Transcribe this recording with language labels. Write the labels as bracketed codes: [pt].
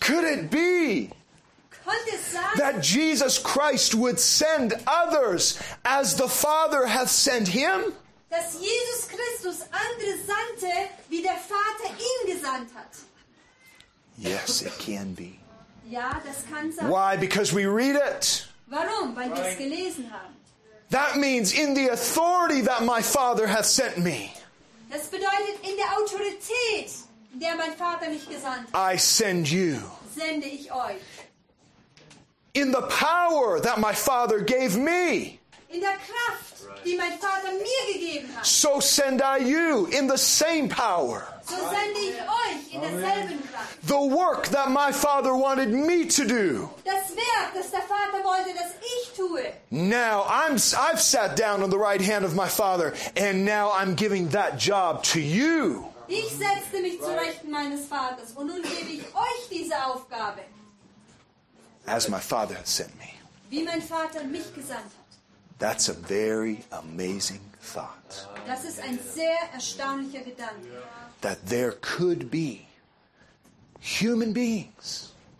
[en] Could it be that Jesus Christ would send others as the Father hath sent him? [de] Dass Jesus Christus andere sandte, wie der Vater ihn gesandt hat. [en] Yes, it can be. [de] Ja, das kann sein. [en] Why? Because we read it. [de] Warum? Weil wir es gelesen haben. [en] That means in the authority that my Father hath sent me. [de] Das bedeutet in der Autorität, der mein Vater mich gesandt hat. [en] I send you. [de] Sende ich euch. [en] In the power that my Father gave me. [de] In der Kraft, die mein Vater mir gegeben hat. [en] So send I you in the same power. [de] So sende ich euch in derselben Kraft. [en] The work that my Father wanted me to do. [de] Das Werk, das der Vater wollte, das ich tue. [en] Now I've sat down on the right hand of my Father, and now I'm giving that job to you. [de] Ich setzte mich zu Rechten meines Vaters, und nun gebe ich euch diese Aufgabe. [en] As my Father has sent me. [de] Wie mein Vater mich gesandt hat. [en] That's a very amazing thought. [de] Das ist ein sehr erstaunlicher Gedanke. [en] That there could be human beings.